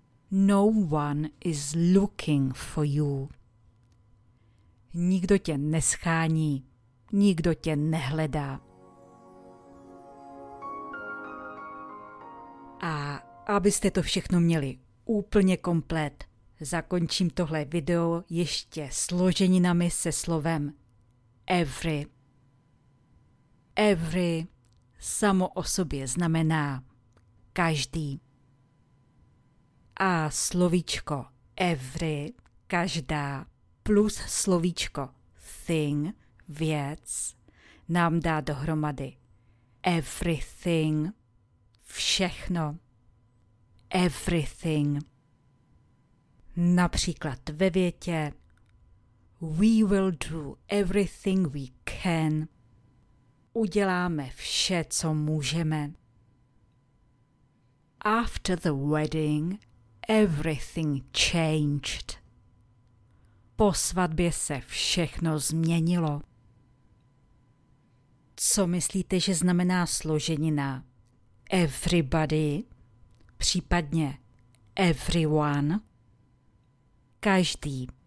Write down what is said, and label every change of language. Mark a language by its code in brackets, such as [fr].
[en] No one is looking for you. [cs] Nikdo tě neschání, nikdo tě nehledá. A abyste to všechno měli úplně komplet, zakončím tohle video ještě složeninami se slovem every. Every samo o sobě znamená každý. A slovíčko every, každá, plus slovíčko thing, věc, nám dá dohromady everything, všechno, everything. Například ve větě [en] we will do everything we can. [cs] Uděláme vše, co můžeme. [en] After the wedding, everything changed. [cs] Po svatbě se všechno změnilo. Co myslíte, že znamená složenina? Everybody, případně everyone, každý.